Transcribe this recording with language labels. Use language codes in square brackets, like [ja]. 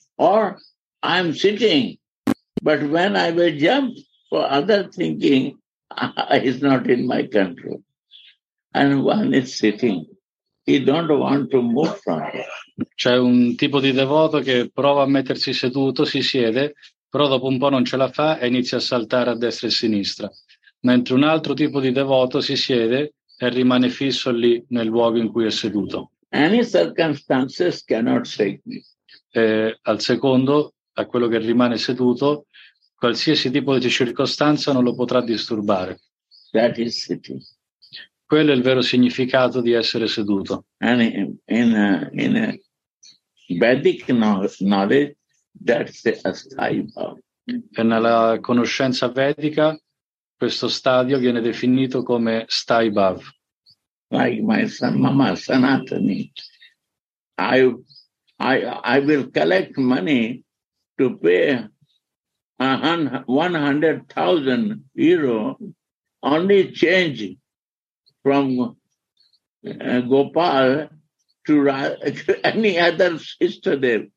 [en] Or I'm sitting, but when I will jump for other thinking, it's not in my control. And one is sitting. He don't want to move from it. [it] C'è un tipo di devoto che prova a mettersi seduto, si siede, però dopo un po' non ce la fa e inizia a saltare a destra e a sinistra. Mentre un altro tipo di devoto si siede e rimane fisso lì nel luogo in cui è seduto. [en] Any circumstances cannot shake me. [it] Al secondo, a quello che rimane seduto, qualsiasi tipo di circostanza non lo potrà disturbare. [en] That is sitting. [it] Quello è il vero significato di essere seduto. [en] And in a Vedic knowledge, that's the asthayi bhava. [it] E nella conoscenza vedica, questo stadio viene definito come sthayi bhava. [en] Like my son, mama Sanatani, I will collect money to pay 100,000 euro only change from Gopal to any other sister there.